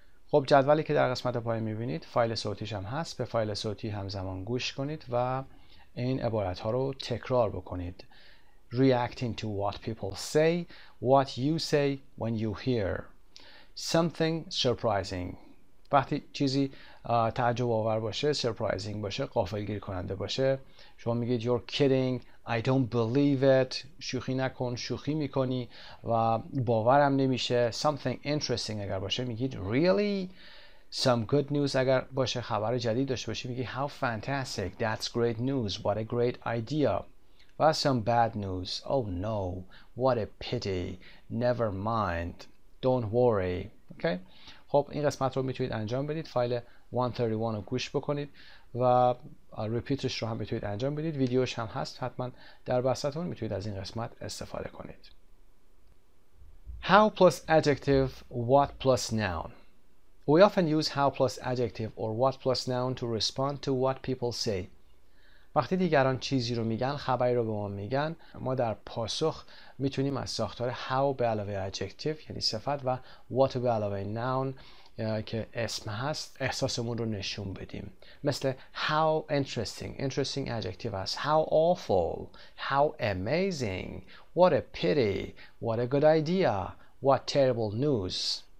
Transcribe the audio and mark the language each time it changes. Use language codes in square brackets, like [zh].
[fa] خب جدولی که در قسمت پایین می‌بینید فایل صوتیش هم هست، به فایل صوتی همزمان گوش کنید و این عبارت‌ها رو تکرار بکنید. [en] Reacting to what people say, what you say when you hear something surprising. [fa] وقتی چیزی تعجب‌آور باشه، surprising باشه، غافلگیر کننده باشه، شما میگید [en] you're kidding, I don't believe it. [fa] شوخی نکن، شوخی میکنی و باورم نمیشه. [en] Something interesting [fa] اگر باشه میگید [en] really. Some good news [fa] اگر باشه، خبر جدید داشته باشی، میگی [en] how fantastic, that's great news, what a great idea. و some bad news, oh no, what a pity, never mind, don't worry. Okay. [fa] خب این قسمت رو میتونید انجام بدید، فایل 131 رو گوش بکنید و ریپیتش رو هم میتونید انجام بدید. ویدیوش هم هست، حتما در بستتون میتونید از این قسمت استفاده کنید. [en] How plus adjective, what plus noun. We often use how plus adjective or what plus noun to respond to what people say. [fa] وقتی دیگران چیزی رو میگن، خبری رو به ما میگن، ما در پاسخ میتونیم از ساختار how به علاوه adjective یعنی صفت و what به علاوه noun که اسم هست احساسمون رو نشون بدیم. [en] مثل how interesting, interesting adjective هست. How awful, how amazing, what a pity, what a good idea, what terrible news.